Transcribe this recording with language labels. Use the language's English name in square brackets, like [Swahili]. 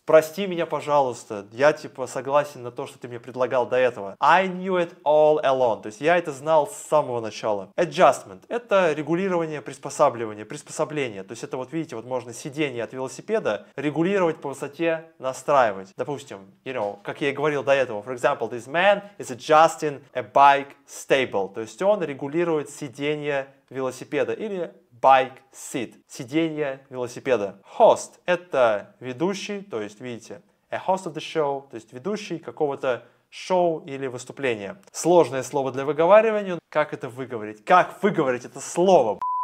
[Russian] Прости меня, пожалуйста, я, типа, согласен на то, что ты мне предлагал до этого. [English] I knew it all along, [Russian] то есть я это знал с самого начала. Adjustment – это регулирование, приспосабливание, приспособление, то есть это вот, видите, вот можно сиденье от велосипеда регулировать по высоте, настраивать. Допустим, [English] you know, [Russian] как я говорил до этого. [English] For example, this man is adjusting a bike stable. [Russian] То есть он регулирует сиденье велосипеда или [English] bike seat. [Russian] Сиденье велосипеда. Host – это ведущий, то есть, видите, [English] a host of the show, [Russian] то есть ведущий какого-то шоу или выступления. Сложное слово для выговаривания. Как это выговорить? Как выговорить это слово?